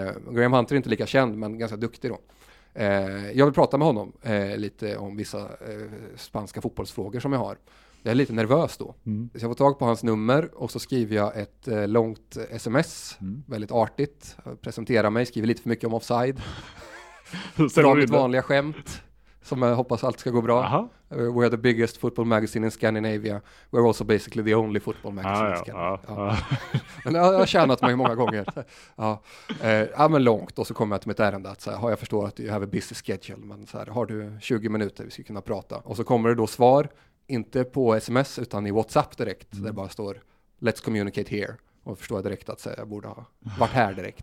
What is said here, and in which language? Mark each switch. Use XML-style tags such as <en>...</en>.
<sv>Graham Hunter är inte lika känd men ganska duktig då. Jag vill prata med honom lite om vissa spanska fotbollsfrågor som jag har. Jag är lite nervös då. Mm. Så jag får tag på hans nummer och så skriver jag ett långt sms. Mm. Väldigt artigt. Presenterar mig, skriver lite för mycket om Offside. Dra mitt vanliga skämt. Som jag hoppas allt ska gå bra. Aha.</sv> <en>We are the biggest football magazine in Scandinavia. We are also basically the only football magazine in Scandinavia.</en> <sv>Ja. Men jag har tjänat mig många gånger. Ja, men långt. Och så kommer jag till mitt ärende. Att, så här, jag förstår att du har en</sv> <en>busy schedule.</en> <sv>Men så här, har du 20 minuter vi ska kunna prata? Och så kommer det då svar. Inte på sms utan i WhatsApp direkt. Mm. Där det bara står,</sv> <en>let's communicate here.</en> <sv>Och förstår jag direkt att så här, jag borde ha varit här direkt.</sv>